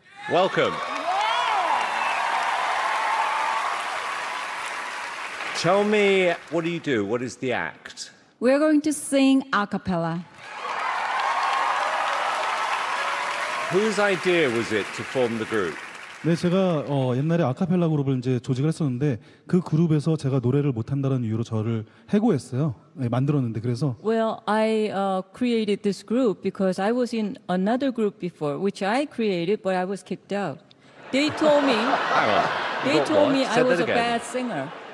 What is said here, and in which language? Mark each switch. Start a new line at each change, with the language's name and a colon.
English: Welcome. Tell me, what do you do? What is the act? We're going to sing a cappella. Whose idea was it to form the group?
Korean: 네, 제가 옛날에 아카펠라 그룹을 이제 조직을 했었는데 그 그룹에서 제가 노래를 못한다는 이유로 저를 해고했어요. 네, 만들었는데 그래서.
English: Well, I created this group because I was in another group before, which I created, but I was kicked out. They told me. They told me I was a bad singer.